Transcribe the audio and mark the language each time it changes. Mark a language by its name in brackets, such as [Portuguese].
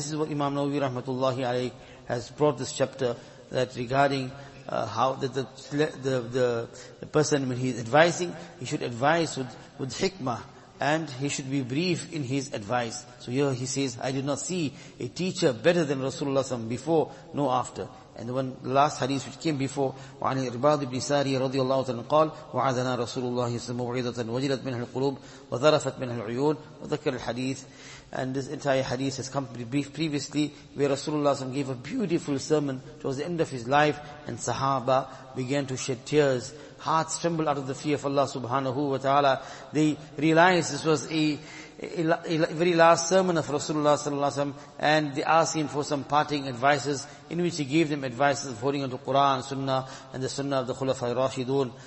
[English] This is what Imam Nawawi rahmatullahi alayhi has brought this chapter, that regarding how the person, when he's advising, he should advise with hikmah, and he should be brief in his advice. So here he says, I did not see a teacher better than Rasulullah SAW before, no after. And the one last hadith which came before, [Arabic] وعن الرباط بن ساري رضي الله عنه قال وعذنا رسول الله صلى الله عليه وسلم وجلت منها القلوب وذرفت منها العيون وذكر الحديث. [English] And this entire hadith has come previously, where Rasulullah SAW gave a beautiful sermon towards the end of his life, and Sahaba began to shed tears. Hearts trembled out of the fear of Allah subhanahu wa ta'ala. They realized this was a very last sermon of Rasulullah sallallahu alaihi wasallam, and they asked him for some parting advices, in which he gave them advices of holding on to Quran, Sunnah, and the Sunnah of the Khulafa'i Rashidun.